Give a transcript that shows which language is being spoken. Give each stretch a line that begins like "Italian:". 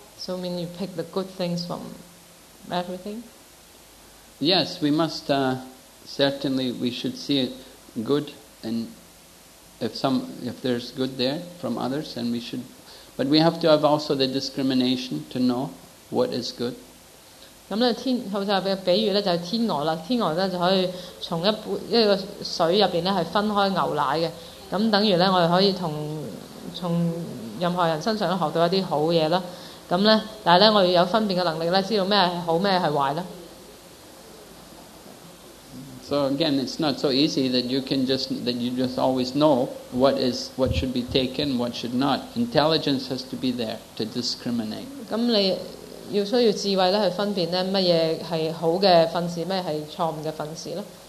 English: So mean you pick the good things from everything? Yes, we must certainly we should see it good, and if there's good there from others, then we should. But we have to have also the discrimination to know what is good.
Cantonese: 咁咧，天好似嘅比喻咧，就係天鵝啦。天鵝咧就可以從一個水入邊咧，係分開牛奶嘅。咁等於咧，我哋可以從任何人身上都學到一些好東西啦。咁咧，但系咧，我要有分辨嘅能力咧，知道咩系好，咩系坏咧。
English: So again, it's not so easy that you can just that you just always know what is what should be taken, what should not. Intelligence has to be there to discriminate.
Cantonese: 咁你要需要智慧咧，去分辨咧乜嘢系好嘅分事，咩系错误嘅分事咧。